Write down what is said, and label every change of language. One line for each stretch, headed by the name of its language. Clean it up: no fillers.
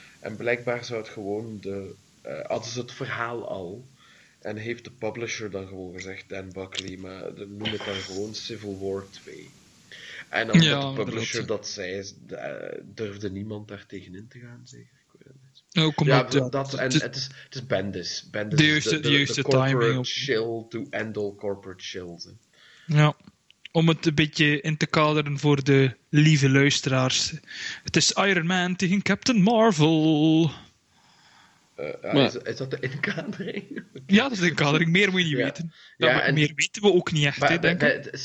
Dutch: En blijkbaar zou het gewoon hadden ze het verhaal al. En heeft de publisher dan gewoon gezegd, Dan Buckley, maar noem het dan gewoon Civil War 2. En als de publisher dat zei, durfde niemand daar tegenin te gaan, zeker. Ik weet het niet. Oh, kom ja, op, het is Bendis. Bendis de juiste, de juiste corporate timing.
English: Corporate chill to end all corporate chill.
Dutch: Hè. Ja. Om het een beetje in te kaderen voor de lieve luisteraars. Het is Iron Man tegen Captain Marvel. Is dat de inkadering? Ja, dat is de inkadering. Meer moet je niet weten. Ja, meer weten we ook niet echt, maar, he, denk ik.